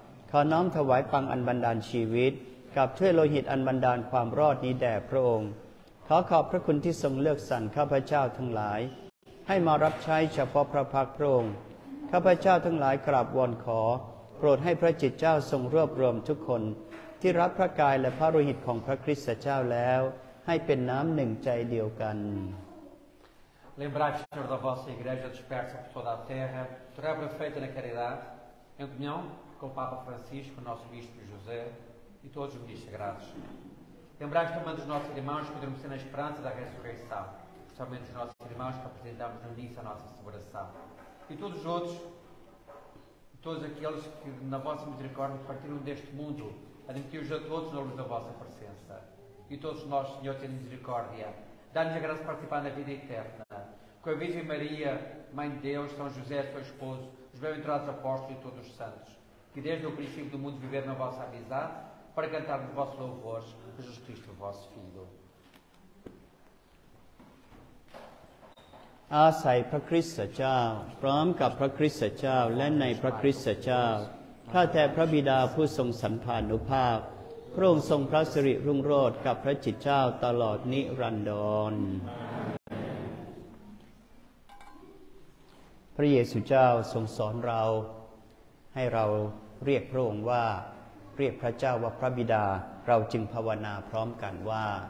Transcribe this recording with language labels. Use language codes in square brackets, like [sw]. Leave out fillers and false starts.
[th] ขอน้อมถวายปังอันบันดาลชีวิตกับถ้วยโลหิตอันบันดาลความรอดนี้แด่พระองค์ขอขอบพระคุณที่ทรงเลือกสรรข้าพเจ้าทั้งหลายให้มารับใช้เฉพาะพระพักตร์พระองค์ข้าพเจ้าทั้งหลายกราบวอนขอโปรดให้พระจิตเจ้าทรงรวบรวมทุกคนที่รับพระกายและพระโลหิตของพระคริสต์เจ้าแล้วให้เป็นน้ำหนึ่งใจเดียวกัน [pt] Lembrai, Senhor, da vossa igreja dispersa por toda a terra, trabalha feita na caridade, em comunhão com o Papa Francisco, nosso Bispo José e todos os ministros sagrados. Lembrai também dos nossos irmãos que dormem na esperança da ressurreição. Somente os nossos irmãos que apresentamos no início a nossa celebração. E todos os outros, todos aqueles que na vossa misericórdia partiram deste mundo, admiti-os a todos na luz da vossa presença. E todos nós, Senhor, tendo misericórdia, dá-nos a graça de participar na vida eterna. Com a Virgem Maria, Mãe de Deus, São José, seu esposo, os bem-aventurados apóstolos e todos os santos, que desde o princípio do mundo viveram na vossa amizade, para cantarmos vossos louvores, Jesus Cristo, vosso Filho. [th] อาศัยพระคริสต์เจ้าพร้อมกับพระคริสต์เจ้าและในพระคริสต์เจ้าข้าแต่พระบิดาผู้ทรงสันพานุภาพพระองค์ทรงพระสิริรุ่งโรจน์กับพระจิตเจ้าตลอดนิรันดรพระเยซูเจ้าทรงสอนเราให้เราเรียกพระองค์ว่าเรียกพระเจ้าว่าพระบิดาเราจึงภาวนาพร้อมกันว่า